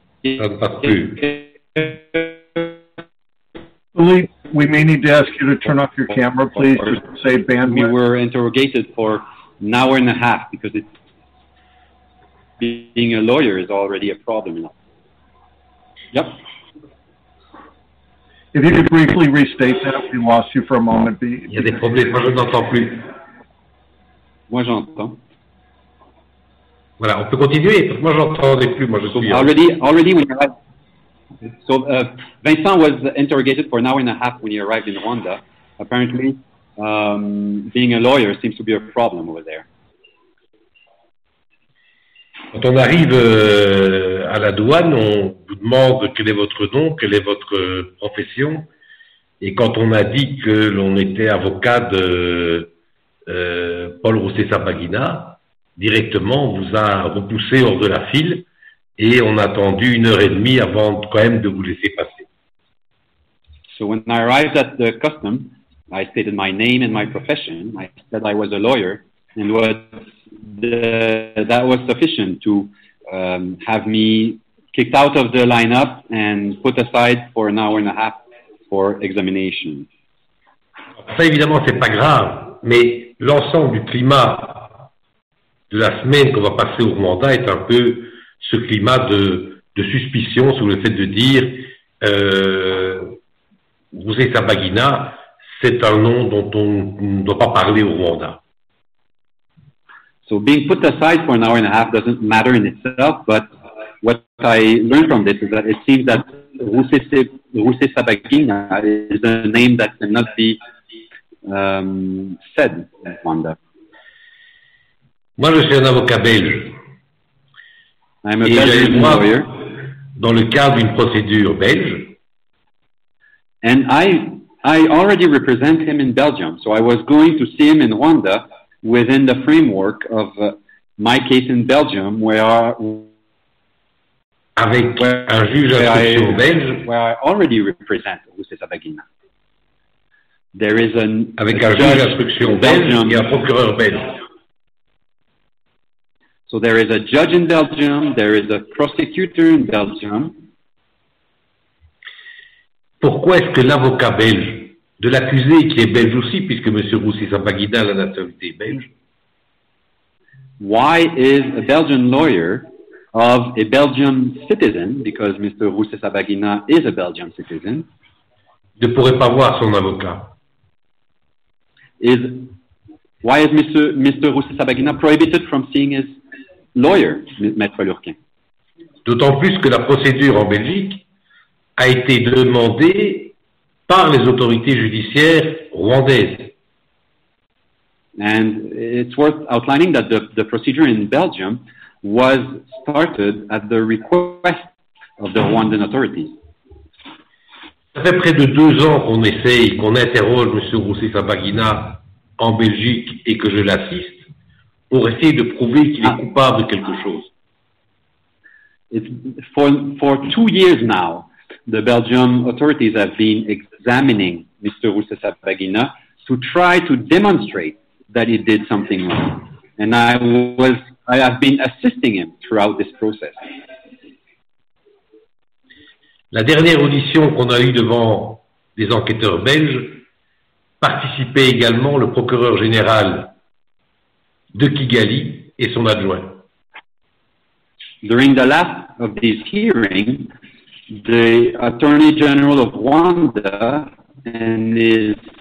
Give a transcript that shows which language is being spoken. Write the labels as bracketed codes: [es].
[en] Philippe, we may need to ask you to turn off your camera, please, just to save bandwidth. We were interrogated for an hour and a half because it's being a lawyer is already a problem. Yep. If you could briefly restate that, we lost you for a moment. [fr] Il y a des problèmes, moi je n'entends plus. Moi j'entends. Voilà, on peut continuer, parce que moi j'entendais plus, moi je suis... [en] Already when you arrived... So, Vincent was interrogated for an hour and a half when he arrived in Rwanda. Apparently, being a lawyer seems to be a problem over there. [fr] Quand on arrive à la douane, on vous demande quel est votre nom, quelle est votre profession, et quand on a dit que l'on était avocat de Paul Rusesabagina, directement, on vous a repoussé hors de la file et on a attendu une heure et demie avant quand même de vous laisser passer. [en] So when I arrived at the custom, I stated my name and my profession. I said I was a lawyer and that was sufficient to have me kicked out of the lineup and put aside for an hour and a half for examination. [fr] Ça, évidemment, c'est pas grave, mais l'ensemble du climat de la semaine qu'on va passer au Rwanda est un peu ce climat de suspicion sur le fait de dire Rusesabagina, c'est un nom dont on ne doit pas parler au Rwanda. [en] So being put aside for an hour and a half doesn't matter in itself, but what I learned from this is that it seems that Rusesabagina is a name that cannot be said in Rwanda. [fr] Moi, je suis un avocat belge. [en] I'm a Belgian lawyer. [fr] Dans le cadre d'une procédure belge. [en] And I already represent him in Belgium, so I was going to see him in Rwanda within the framework of my case in Belgium, where I already represent Rusesabagina. There is an [fr] avec un juge d'instruction belge et un procureur belge. [en] So there is a judge in Belgium, there is a prosecutor in Belgium. [fr] Pourquoi est-ce que l'avocat belge de l'accusé, qui est belge aussi, puisque M. Rusesabagina a la nationalité belge? [en] Why is a Belgian lawyer of a Belgian citizen, because Mr. Rusesabagina is a Belgian citizen, [fr] ne pourrait pas voir son avocat? [en] Why is Mr. Rusesabagina prohibited from seeing his lawyer, Maître Lurquin? [fr] D'autant plus que la procédure en Belgique a été demandée par les autorités judiciaires rwandaises. [en] And it's worth outlining that the procedure in Belgium was started at the request of the Rwandan authorities. [fr] Ça fait près de deux ans qu'on essaye, qu'on interroge M. Rusesabagina en Belgique et que je l'assiste, pour essayer de prouver qu'il est coupable de quelque chose. [en] For 2 years now, the Belgian authorities have been examining Mr. Rusesabagina to try to demonstrate that he did something wrong. And I have been assisting him throughout this process. [fr] La dernière audition qu'on a eue devant des enquêteurs belges participait également le procureur général de Kigali et son adjoint. [en] During the last of these hearings, the Attorney General of Rwanda and his